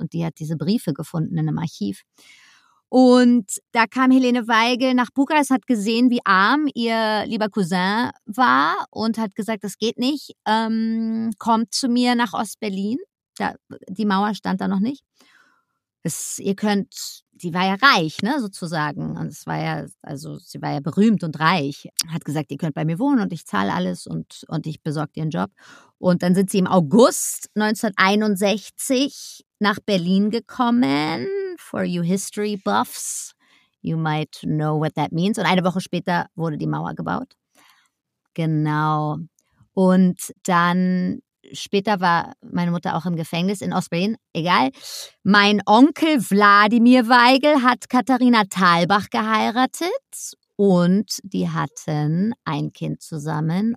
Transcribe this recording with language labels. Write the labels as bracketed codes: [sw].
[de] Und die hat diese Briefe gefunden in einem Archiv. Und da kam Helene Weigel nach Bukarest, hat gesehen, wie arm ihr lieber Cousin war, und hat gesagt, das geht nicht, kommt zu mir nach Ost-Berlin. Die Mauer stand da noch nicht. Ihr könnt sie war ja reich, ne, sozusagen. Und es war ja, also sie war ja berühmt und reich. Hat gesagt, ihr könnt bei mir wohnen und ich zahle alles und ich besorge dir einen Job. Und dann sind sie im August 1961 nach Berlin gekommen. [en] For you history buffs, you might know what that means. [de] Und eine Woche später wurde die Mauer gebaut. Genau. Und dann später war meine Mutter auch im Gefängnis in Ostberlin. Egal. Mein Onkel Wladimir Weigel hat Katharina Thalbach geheiratet. Und die hatten ein Kind zusammen.